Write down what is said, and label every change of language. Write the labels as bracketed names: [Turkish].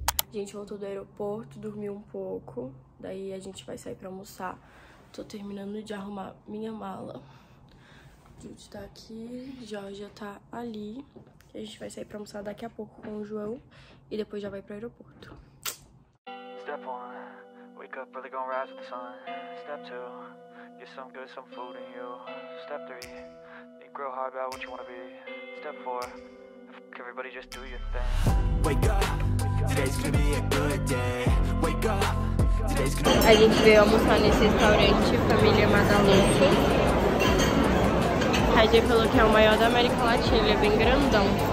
[Portuguese] A gente voltou do aeroporto, dormiu um pouco. Daí a gente vai sair pra almoçar. Tô terminando de arrumar minha mala. Jude tá aqui, Georgia tá ali. A gente vai sair pra almoçar daqui a pouco com o João. E depois já vai pro aeroporto. [English] Step 1, wake up, really gonna rise with the sun. Step 2, get some good, some food in you. Step 3, think real hard about what you wanna be. Step 4, fuck everybody, just do your thing. Wake up. [Portuguese] A gente veio almoçar nesse restaurante Família Madaluco. A Jay falou que é o maior da América Latina, ele é bem grandão.